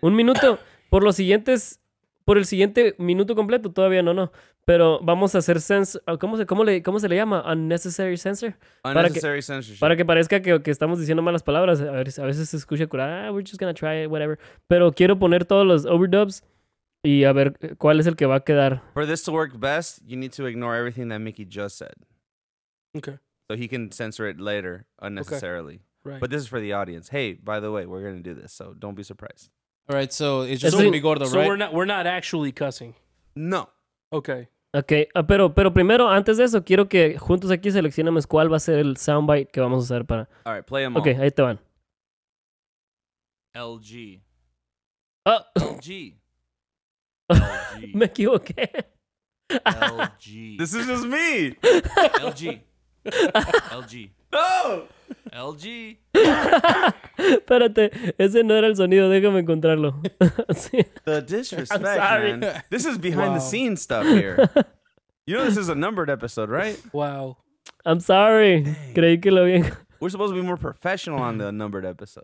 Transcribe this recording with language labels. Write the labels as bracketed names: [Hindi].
[Spanish] Un minuto por el siguiente minuto completo todavía no. Pero vamos a hacer ¿cómo se le llama? [English] Unnecessary censor. Unnecessary censorship. [Spanish] Para que parezca que estamos diciendo malas palabras. A veces se escucha curar. [English] We're just gonna try it, whatever. [Spanish] Pero quiero poner todos los overdubs. Y a ver cuál es el que va a quedar. [English] For this to work best, you need to ignore everything that Mickey just said. Okay. So he can censor it later unnecessarily. Okay. Right. But this is for the audience. Hey, by the way, we're going to do this, so don't be surprised. All right, so it's just going to be gordo, so right? So we're not actually cussing. No. Okay. [Spanish] Okay, pero primero, antes de eso, quiero que juntos aquí seleccionemos cuál va a ser el soundbite que vamos a usar para... [English] All right, play them okay, all. [Spanish] Okay, ahí te van. LG. Oh. LG. Me equivoqué. [English] LG. This is just me. LG. LG. No. LG. [Spanish] Espérate, ese no era el sonido, déjame encontrarlo. [English] Sí. The disrespect, man. This is behind the scenes stuff here. You know this is a numbered episode, right? Wow. I'm sorry. Dang. [Spanish] Creí que lo bien. [English] We're supposed to be more professional on the numbered episode.